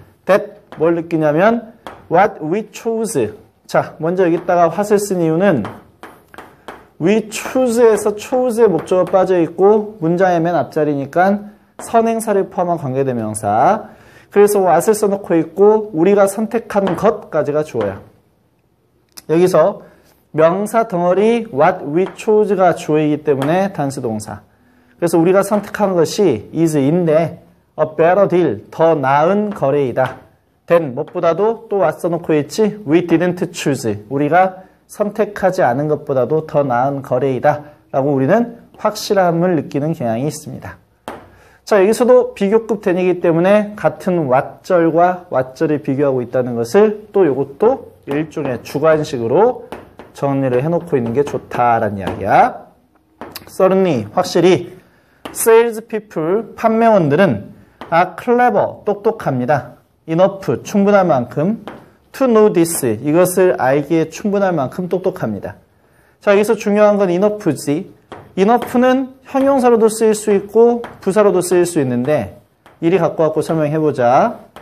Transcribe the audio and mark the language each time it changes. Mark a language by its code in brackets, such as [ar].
[en] That, [ko] 뭘 느끼냐면, [en] what we choose. [ko] 자, 먼저 여기다가 what을 쓴 이유는 [en] we choose [ko] 에서 choose의 목적어 빠져있고, 문장의 맨 앞자리니까 선행사를 포함한 관계대명사. 그래서 what을 써놓고 있고 우리가 선택한 것까지가 주어야. 여기서 명사 덩어리 [en] what we chose [ko] 가 주어이기 때문에 단수 동사. 그래서 우리가 선택한 것이 is인데 [en] a better deal, [ko] 더 나은 거래이다. then 무엇보다도 또 what 써놓고 있지? [en] we didn't choose. [ko] 우리가 선택하지 않은 것보다도 더 나은 거래이다라고 우리는 확실함을 느끼는 경향이 있습니다. 자, 여기서도 비교급 된이기 때문에 같은 왓절과 왓절을 비교하고 있다는 것을 또 이것도 일종의 주관식으로 정리를 해놓고 있는 게 좋다라는 이야기야. [en] Certainly, 확실히, sales people, [ko] 판매원들은 [en] are clever, [ko] 똑똑합니다. enough, 충분할 만큼, [en] to know this, [ko] 이것을 알기에 충분할 만큼 똑똑합니다. 자, 여기서 중요한 건 enough지. enough는 형용사로도 쓰일 수 있고 부사로도 쓰일 수 있는데 이리 갖고 왔고 설명해 보자.